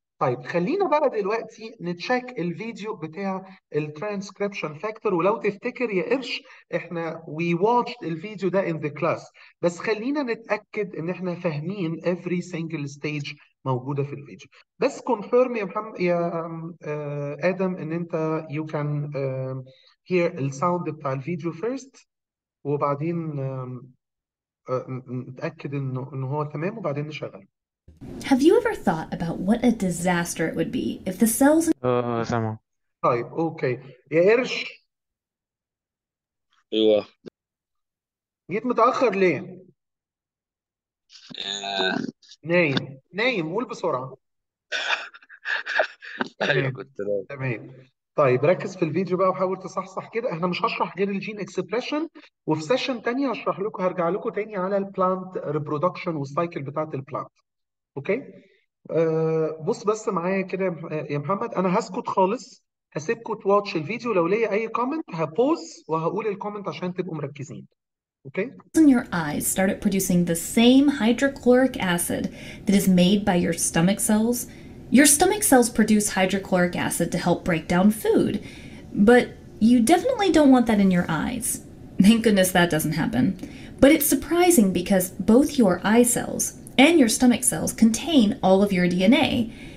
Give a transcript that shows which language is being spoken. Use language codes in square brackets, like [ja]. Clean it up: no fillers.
[ar] طيب خلينا بقى دلوقتي نتشيك الفيديو بتاع الترانسكريبشن فاكتور، ولو تفتكر يا قرش احنا [en] we watched الفيديو ده in the class, [ar] بس خلينا نتاكد ان احنا فاهمين [en] every single stage [ar] موجوده في الفيديو. بس كونفيرم يا محمد يا ادم ان انت [en] you can hear [ar] الساوند بتاع الفيديو [en] first, [ar] وبعدين نتأكد إنه هو تمام وبعدين نشغل. [en] Have you ever thought about what a disaster it would be if the cells in [ar] سامع. طيب اوكي يا قرش، ايوه جيت متأخر ليه؟ نايم نايم، قول بسرعة. ايوه تمام كنت نايم. تمام طيب ركز في الفيديو بقى وحاول تصحصح كده. احنا مش هشرح غير الجين اكسبريشن، وفي سيشن تانية هشرح لكم، هرجع لكم تاني على البلانت ريبرودكشن والسايكل بتاعت البلانت. اوكي بص بس معايا كده يا محمد، انا هسكت خالص، هسيبكم تواتش الفيديو، لو ليا اي كومنت هبوز وهقول الكومنت عشان تبقوا مركزين. اوكي [en] In your eyes started producing the same hydrochloric acid that is made by your stomach cells. Your stomach cells produce hydrochloric acid to help break down food, but you definitely don't want that in your eyes. Thank goodness that doesn't happen. But it's surprising because both your eye cells and your stomach cells contain all of your DNA.